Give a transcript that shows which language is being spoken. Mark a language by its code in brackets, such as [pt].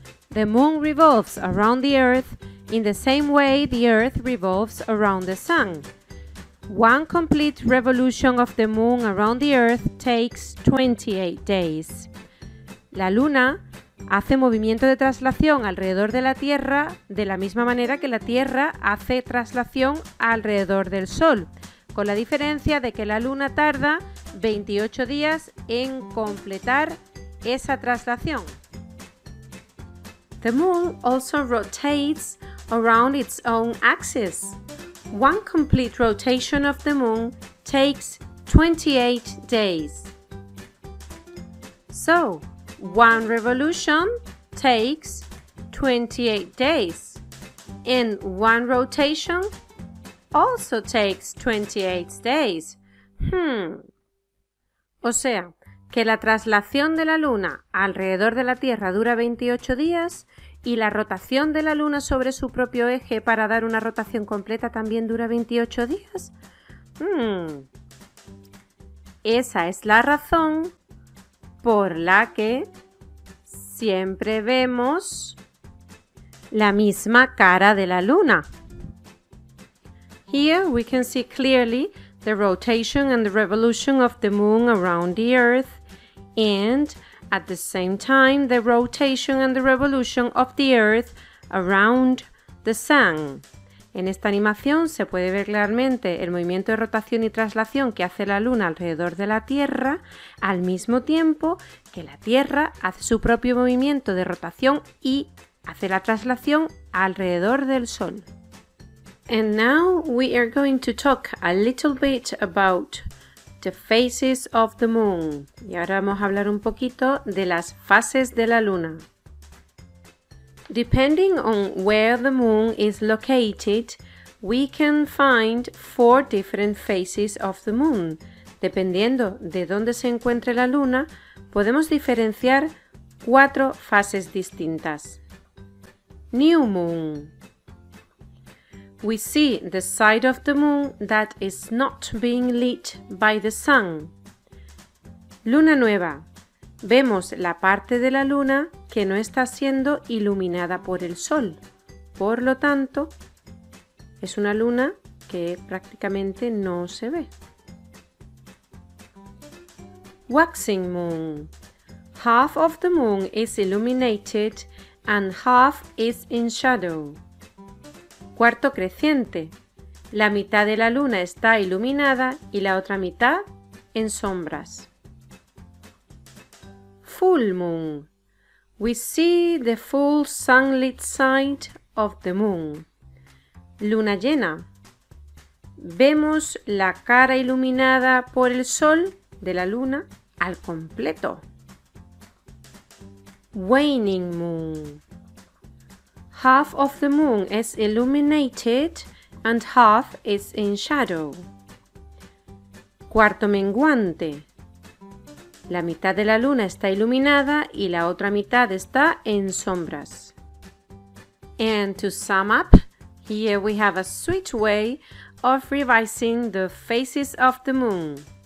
[en] The moon revolves around the Earth in the same way the Earth revolves around the Sun. One complete revolution of the moon around the Earth takes 28 days. [es] La luna hace movimiento de traslación alrededor de la Tierra de la misma manera que la Tierra hace traslación alrededor del Sol, con la diferencia de que la luna tarda 28 días en completar esa traslación. [en] The moon also rotates around its own axis. One complete rotation of the moon takes 28 days. So, one revolution takes 28 days. And one rotation also takes 28 days. [es] O sea, que la traslación de la luna alrededor de la Tierra dura 28 días, y la rotación de la luna sobre su propio eje para dar una rotación completa también dura 28 días. Esa es la razón por la que siempre vemos la misma cara de la luna. [en] Here we can see clearly the rotation and the revolution of the moon around the Earth and at the same time, the rotation and the revolution of the Earth around the Sun. [es] En esta animación se puede ver claramente el movimiento de rotación y traslación que hace la Luna alrededor de la Tierra, al mismo tiempo que la Tierra hace su propio movimiento de rotación y hace la traslación alrededor del Sol. [en] And now we are going to talk a little bit about the phases of the moon. [es] Y ahora vamos a hablar un poquito de las fases de la luna. [en] Depending on where the moon is located, we can find four different phases of the moon. [es] Dependiendo de dónde se encuentre la luna, podemos diferenciar cuatro fases distintas. [en] New moon. We see the side of the moon that is not being lit by the sun. [es] Luna nueva. Vemos la parte de la luna que no está siendo iluminada por el sol. Por lo tanto, es una luna que prácticamente no se ve. [en] Waxing moon. Half of the moon is illuminated and half is in shadow. [es] Cuarto creciente. La mitad de la luna está iluminada y la otra mitad en sombras. [en] Full moon. We see the full sunlit side of the moon. [es] Luna llena. Vemos la cara iluminada por el sol de la luna al completo. [en] Waning moon. Half of the moon is illuminated and half is in shadow. [es] Cuarto menguante. La mitad de la luna está iluminada y la otra mitad está en sombras. [en] And to sum up, here we have a sweet way of revising the phases of the moon.